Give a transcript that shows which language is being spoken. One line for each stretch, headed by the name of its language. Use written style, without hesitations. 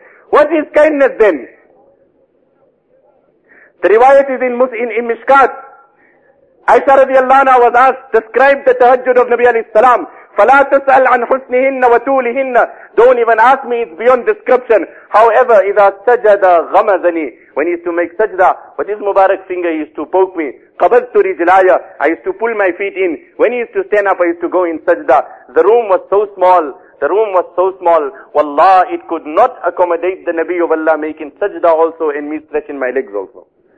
English: What is kindness then? The riwayat is in Mishkat. Aisha radiallahu anha was asked, describe the tahajjud of Nabi alayhi salam.
Arabic: فَلَا تَسْأَلْ عَنْ حُسْنِهِنَّ وَتُولِهِنَّ.
English: Don't even ask me, it's beyond description. However,
Arabic: إِذَا سَجَدَ غَمَزَنِي.
English: When he used to make sajda, with his Mubarak finger, he used to poke me.
Arabic: قَبَضْتُ رِجْلَايَ.
English: I used to pull my feet in. When he used to stand up, I used to go in sajda. The room was so small. The room was so small. Wallah, it could not accommodate the Nabi of Allah making sajda also and me stretching my legs also.